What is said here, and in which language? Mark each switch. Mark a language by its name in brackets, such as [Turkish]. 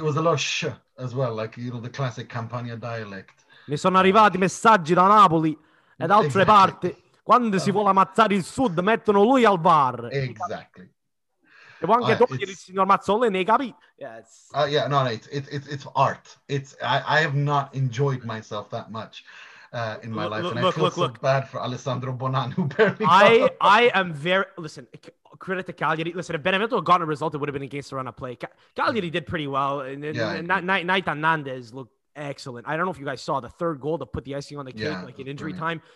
[English] It was a lot of sh as well, like, you know, the classic Campania dialect. [Italian] Mi sono arrivati messaggi da Napoli e da altre parti. Quando si vuole ammazzare il sud, mettono lui al bar. [English] Exactly. [Italian] E può anche togliere il signor Mazzoleni, capi? [English] Yes. It's art. I have not enjoyed myself that much in my life. I feel so bad for Alessandro Bonan, who barely... Credit to Cagliari. Listen, if Benevento had gotten a result, it would have been against the run of play. Cagliari did pretty well. Naita Nandez looked excellent. I don't know if you guys saw the third goal to put the icing on the cake, like in injury time.